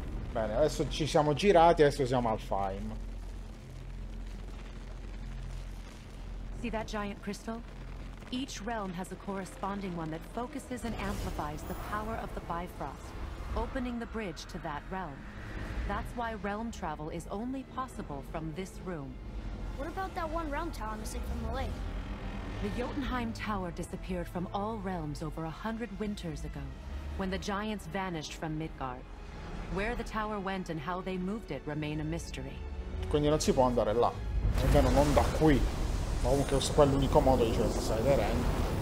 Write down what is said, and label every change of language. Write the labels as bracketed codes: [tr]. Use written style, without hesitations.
[it] Bene, adesso ci siamo girati, adesso siamo al Alfheim. [en] See that giant crystal? Each realm has a corresponding one that focuses and amplifies the power of the bifrost, opening the bridge to that realm. That's why realm travel is only possible from this room. What about that one realm tower missing from the lake? The Jotunheim Tower disappeared from all realms over 100 winters ago, when the giants vanished from Midgard. Where the tower went and how they moved it remain a mystery. [it] Quindi non si può andare là. Almeno non da qui. Ma comunque questo qua è l'unico modo di cercare Side Rain.